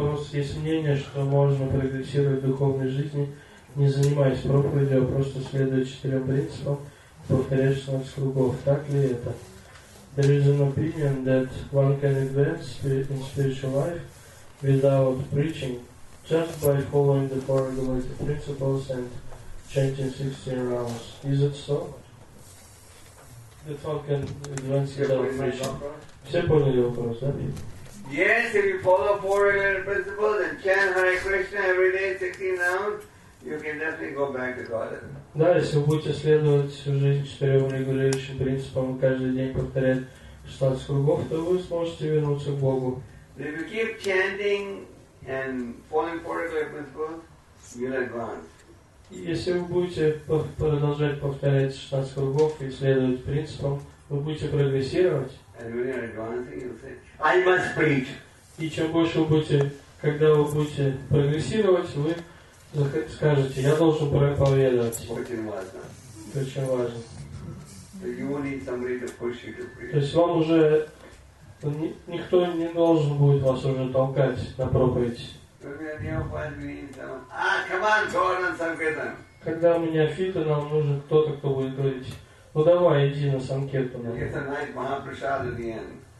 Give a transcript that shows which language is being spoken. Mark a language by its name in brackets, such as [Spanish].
[Russian] Есть мнение, что можно прогрессировать в духовной жизни, не занимаясь проповедью, а просто следуя четырем принципам, повторяя 16 кругов. Так ли это? [English] There is an opinion that one can advance in spiritual life without preaching, just by following the four regulated principles and chanting 16 rounds. Is it so? That one can advance without preaching. [Russian] Все поняли вопрос, да? [English] Yes, if you follow four regulated principles and chant Hare Krishna every day 16 rounds, you can definitely go back to Godhead. [Russian] Да, если вы будете следовать всю жизнь четырем регулирующим принципам, каждый день повторять 16 кругов, то вы сможете вернуться к Богу. [English] If you keep chanting and following four regulated principles, you'll advance. [Russian] Если вы будете продолжать повторять 16 кругов и следовать принципам, вы будете прогрессировать. [English] And when you're advancing, you'll say, I must preach. [Russian] И чем больше вы будете, когда вы будете прогрессировать, вы скажете, я должен проповедовать. Очень важно. [English] So you will need somebody to push you to preach. [Russian] То есть вам уже никто не должен будет вас уже толкать на проповедь. [English] Come on, go on Sankirtan. [Russian] Когда у меня фита, нам нужен кто-то, кто будет говорить, ну давай, иди на Санкетану. [English] Get a nice Mahaprasad at the end.